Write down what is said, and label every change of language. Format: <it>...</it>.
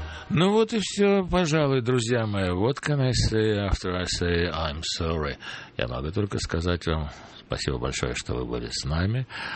<ru>Ну вот и все, пожалуй, друзья мои.</ru> <en>What can I say after I say I'm sorry?</en> <ru>Я могу только сказать вам спасибо большое, что вы были с нами.</ru>